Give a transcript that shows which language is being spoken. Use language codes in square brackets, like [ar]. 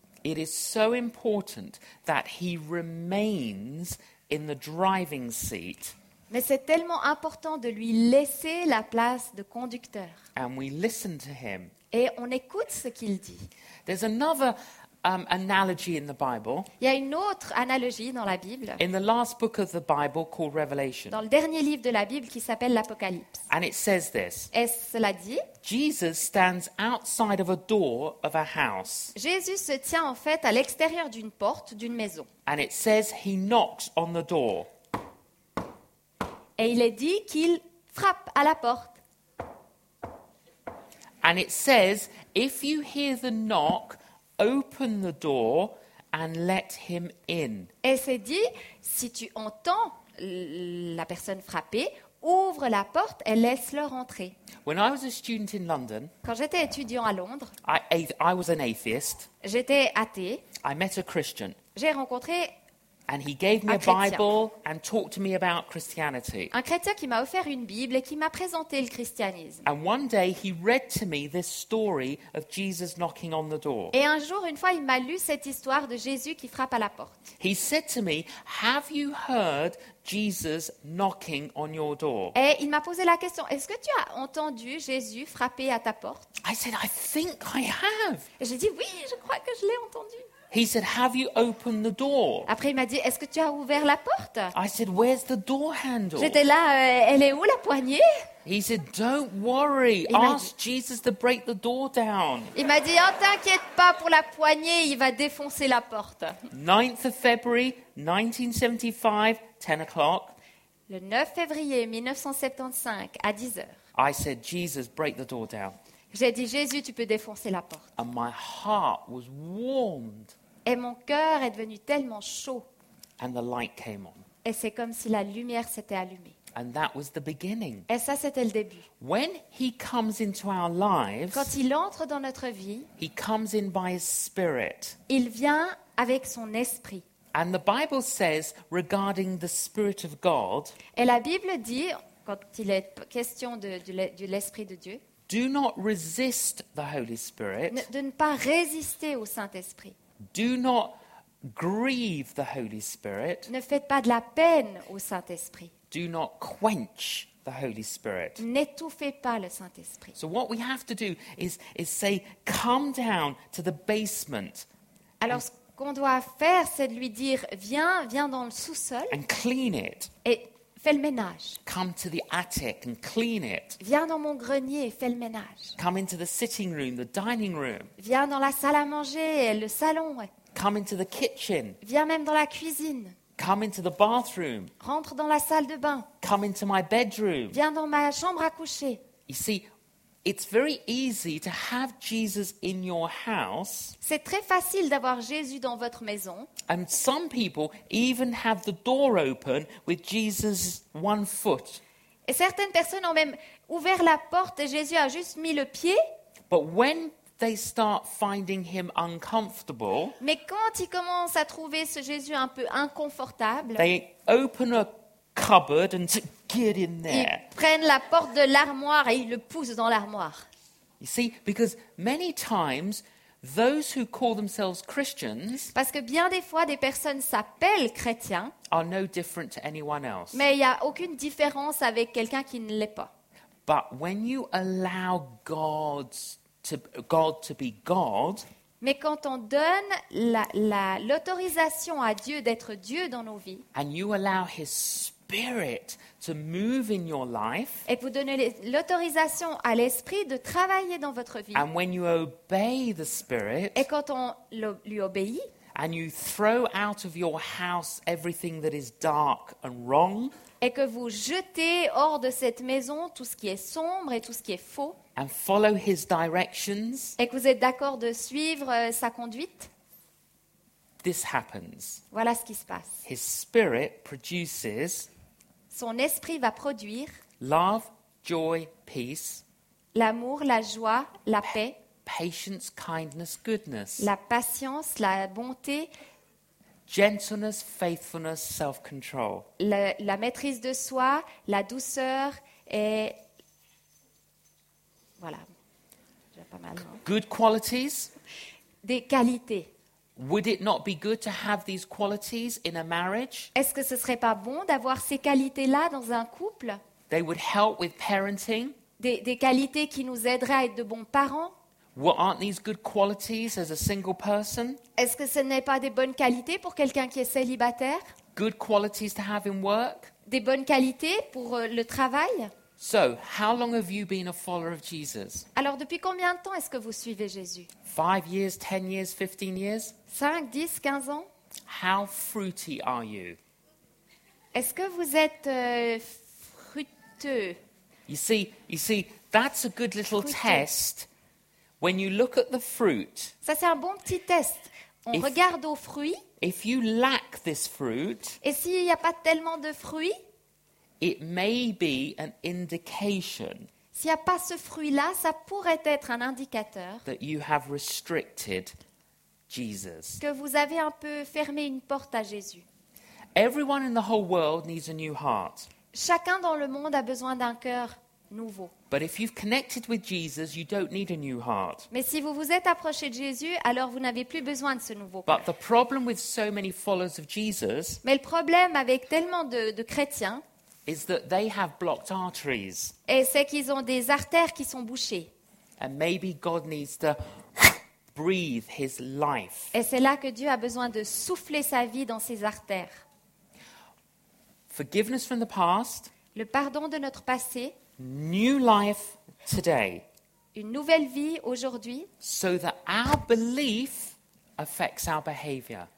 [en] It is so important that he remains in the driving seat. [fr] Mais c'est tellement important de lui laisser la place de conducteur. [en] And we listen to him. [fr] Et on écoute ce qu'il dit. [en] There's another analogy in the Bible. [fr] Il y a une autre analogie dans la Bible. [en] In the last book of the Bible called Revelation. [fr] Dans le dernier livre de la Bible qui s'appelle l'Apocalypse. [en] And it says this. [fr] Et cela dit. [en] Jesus stands outside of a door of a house. [fr] Jésus se tient en fait à l'extérieur d'une porte d'une maison. [en] And it says he knocks on the door. [fr] Et il est dit qu'il frappe à la porte. [en] And it says if you hear the knock, open the door and let him in. [fr] Et c'est dit, si tu entends la personne frapper, ouvre la porte et laisse-leur entrer. [en] When I was a student in London, [fr] quand j'étais étudiant à Londres, [en] I was an atheist. [fr] J'étais athée. [en] I met a Christian. [fr] J'ai rencontré [en] and he gave me [fr] un [en] a Bible and talked to me about Christianity. [fr] Un chrétien qui m'a offert une Bible et qui m'a présenté le christianisme. [en] And one day he read to me this story of Jesus knocking on the door. [fr] Et un jour, une fois, il m'a lu cette histoire de Jésus qui frappe à la porte. [en] He said to me, "Have you heard Jesus knocking on your door?" [fr] Et il m'a posé la question, "Est-ce que tu as entendu Jésus frapper à ta porte?" [en] I said, "I think I have." [fr] Et j'ai dit, "Oui, je crois que je l'ai entendu." [en] He said, "Have you opened the door?" [fr] Après, il m'a dit, "Est-ce que tu as ouvert la porte?" [en] I said, "Where's the door handle?" [fr] J'étais là, elle est où la poignée? [en] He said, "Don't worry. Ask Jesus to break the door down." [fr] Il m'a dit, "Oh, t'inquiète pas pour la poignée, il va défoncer la porte." [en] 9th of February, 1975, 10 o'clock. [fr] Le 9 février 1975, à 10 heures. [en] I said, "Jesus, break the door down." [fr] J'ai dit, Jésus, tu peux défoncer la porte. [en] And my heart was warmed. [fr] Et mon cœur est devenu tellement chaud. [en] And the light came on. [fr] Et c'est comme si la lumière s'était allumée. [en] And that was the beginning. [fr] Et ça, c'était le début. [en] When he comes into our lives, [fr] quand il entre dans notre vie, [en] he comes in by his spirit. [fr] Il vient avec son esprit. [en] And the Bible says, regarding the Spirit of God, [fr] et la Bible dit, quand il est question de l'Esprit de Dieu, [en] do not resist the Holy Spirit. [fr] De ne pas résister au Saint-Esprit. [en] Do not grieve the Holy Spirit. [fr] Ne faites pas de la peine au Saint-Esprit. [en] Do not quench the Holy Spirit. [fr] N'étouffez pas le Saint-Esprit. [en] So what we have to do is say, come down to the basement. [fr] Alors ce qu'on doit faire, c'est de lui dire, viens dans le sous-sol. [en] And clean it. [fr] Et fais le ménage. [en] Come to the attic and clean it. [fr] Viens dans mon grenier, fais le ménage. [en] Come into the sitting room, the dining room. [fr] Viens dans la salle à manger, le salon. [en] Come into the kitchen. [fr] Viens même dans la cuisine. [en] Come into the bathroom. [fr] Rentre dans la salle de bain. [en] Come into my bedroom. [fr] Viens dans ma chambre à coucher. [en] You see, it's very easy to have Jesus in your house. [fr] C'est très facile d'avoir Jésus dans votre maison. [en] And some people even have the door open with Jesus one foot. [fr] Et certaines personnes ont même ouvert la porte et Jésus a juste mis le pied. [en] But when they start finding him uncomfortable. [fr] Mais quand ils commencent à trouver ce Jésus un peu inconfortable, [en] they open a cupboard and get in there. [fr] Ils prennent la porte de l'armoire et ils le poussent dans l'armoire. [en] You see, because many times those who call themselves Christians, [fr] parce que bien des fois des personnes s'appellent chrétiens, [en] are no different to anyone else. [fr] Mais il y a aucune différence avec quelqu'un qui ne l'est pas. [en] But when you allow God to be God, [fr] mais quand on donne l'autorisation à Dieu d'être Dieu dans nos vies, [en] and you allow his spirit to move in your life, [fr] et que vous donnez l'autorisation à l'esprit de travailler dans votre vie, [en] and when you obey the spirit, [fr] et quand on lui obéit, [en] and you throw out of your house everything that is dark and wrong, [fr] et que vous jetez hors de cette maison tout ce qui est sombre et tout ce qui est faux, [en] and follow his directions, [fr] et que vous êtes d'accord de suivre sa conduite, [en] this happens. [fr] Voilà ce qui se passe. [en] His spirit produces, [fr] son esprit va produire, [en] love, joy, peace, [fr] l'amour, la joie, la paix, [en] patience, kindness, goodness, [fr] la patience, la bonté, [en] gentleness, faithfulness, self-control, [fr] la maîtrise de soi, la douceur et voilà, j'ai pas mal, hein? [en] Good qualities. [fr] Des qualités. [en] Would it not be good to have these qualities in a marriage? [fr] Est-ce que ce serait pas bon d'avoir ces qualités-là dans un couple? [en] They would help with parenting. [fr] Des qualités qui nous aideraient à être de bons parents. [en] Well, aren't these good qualities as a single person? [fr] Est-ce que ce n'est pas des bonnes qualités pour quelqu'un qui est célibataire? [en] Good qualities to have in work. [fr] Des bonnes qualités pour le travail. [en] So, how long have you been a follower of Jesus? [fr] Alors, depuis combien de temps est-ce que vous suivez Jésus? [en] 5 years, 10 years, 15 years? [fr] 5, 10, 15 ans? [en] How fruity are you? [fr] Est-ce que vous êtes fruiteux? [en] You see, that's a good little fruiteux. Test. When you look at the fruit. [fr] Ça c'est un bon petit test. On regarde aux fruits. [en] If you lack this fruit. [fr] Et s'il n'y a pas tellement de fruits? [en] It may be an indication. [fr] S'il n'y a pas ce fruit-là, ça pourrait être un indicateur. [en] That you have restricted Jesus. [fr] Que vous avez un peu fermé une porte à Jésus. [en] Everyone in the whole world needs a new heart. [fr] Chacun dans le monde a besoin d'un cœur nouveau. [en] But if you've connected with Jesus, you don't need a new heart. [fr] Mais si vous vous êtes approché de Jésus, alors vous n'avez plus besoin de ce nouveau cœur. [en] But the problem with so many followers of Jesus. [fr] Mais le problème avec tellement de chrétiens. [en] Is that they have blocked arteries. [fr] Et c'est qu'ils ont des artères qui sont bouchées. [en] And maybe God needs to breathe his life. [fr] Et c'est là que Dieu a besoin de souffler sa vie dans ses artères. [en] Forgiveness from the past. [fr] Le pardon de notre passé. [en] New life today. [fr] Une nouvelle vie aujourd'hui. [en] So that our belief affects our behavior.